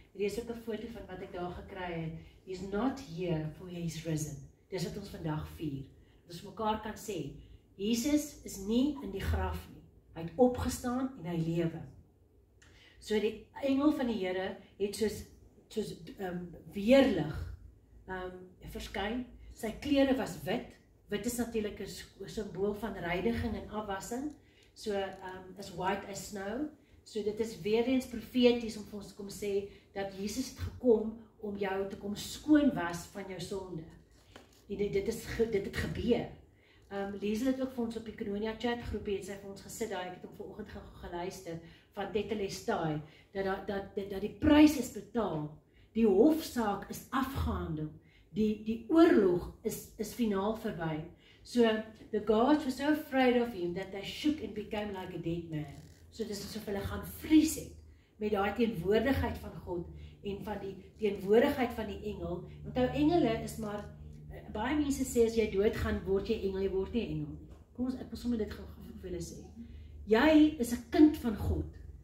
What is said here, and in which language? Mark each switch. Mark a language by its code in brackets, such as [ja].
[af] Hier is ook een foto van wat ek daar gekry het, [en] he's not here for he's risen. [af] Dis wat ons vandag vier. Dis mekaar kan sê, Jesus is nie in die graf nie, hy het opgestaan en hy lewe. So die engel van die Here het soos weerlig verskyn, sy klere was wit is natuurlijk een symbool van reiniging en afwassing, [en] so is white as snow, [af] so dit is weer eens profeties om vir ons te kom sê, dat Jesus het gekom om jou te kom skoon was van jou sonde, en dit het gebeur. Lees dit ook vir ons op die Koinonia chat groepie, het sy vir ons gesit daar, ek het hom vanoggend geluister, van Tetelestai, dat die prys is betaal, die hofsaak is afgehandel, die oorlog is finaal verby. [en] So, the guards were so afraid of him, that they shook and became like a dead man. [af] So, dit is asof hulle gaan vries het, met die teenwoordigheid van God, en van die teenwoordigheid van die engel, want jou engele is maar, baie mense sê, as jy dood gaan, word jy engel, jy word nie engel. Kom ons, ek wil sommer dit gevoel sê. Jy is 'n kind van God.